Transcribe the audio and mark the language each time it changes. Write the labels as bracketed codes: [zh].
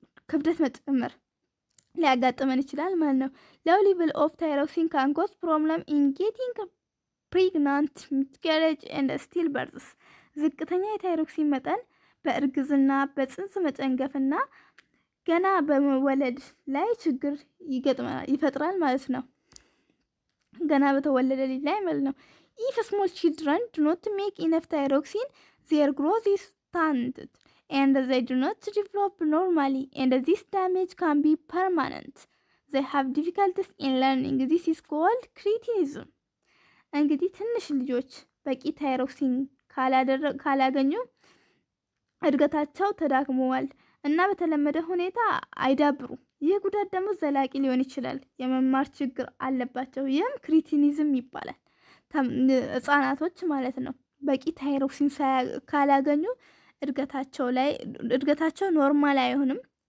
[am] ክብደት መጨመር ሊያጋጥመን ይችላል ማለት ነው [en] low level of thyroxine can cause problem in getting pregnant miscarriage and stillbirths [am] ዝቅተኛ የታይሮክሲን መጠን በእርግዝና በጽንስ መጨንገፍና ገና በመወለድ ላይ ችግር ይፈጥራል ማለት ነው ገና በተወለደ ልጅ ላይ ማለት ነው [en] If small children do not make enough thyroxine, their growth is stunted and they do not develop normally and this damage can be permanent. They have difficulties in learning. This is called cretinism. [am] እንግዲህ ትንሽ ልጆች በቂ thyroxine ካላገኙ እድገታቸው ተዳክሟል እና በተለመደ ሁኔታ አይዳብሩ ይህ ጉዳት ደግሞ ዘላቂ ሊሆን ይችላል የመማር ችግር አለባቸው ይህም cretinism ይባላል ህጻናቶች ማለት ነው በቂ ታይሮክሲን ካላገኙ እድገታቸው ላይ እድገታቸው ኖርማል አይሆንም